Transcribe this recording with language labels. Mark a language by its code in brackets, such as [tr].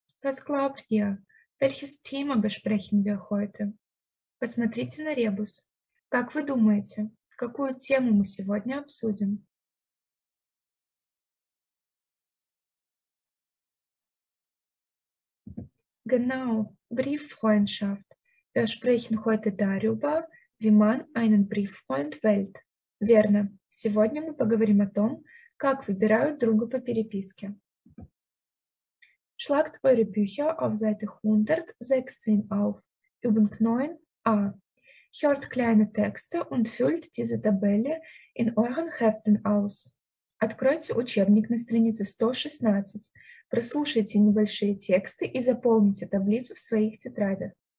[de] Was glaubt ihr, welches Thema besprechen wir heute? [ru] Посмотрите на ребус. Как вы думаете, какую тему мы сегодня обсудим? [de] Genau, Brieffreundschaft. Wir sprechen heute darüber, wie man einen Brieffreund wählt. [ru] Верно. Сегодня мы поговорим о том, как выбирают друга по переписке. [de] Schlagt eure Bücher auf Seite 116 auf. Übung 9a. Hört kleine Texte und füllt diese Tabelle in euren Heften aus. [ru] Откройте учебник на странице 116. Прослушайте небольшие тексты и заполните таблицу в своих тетрадях.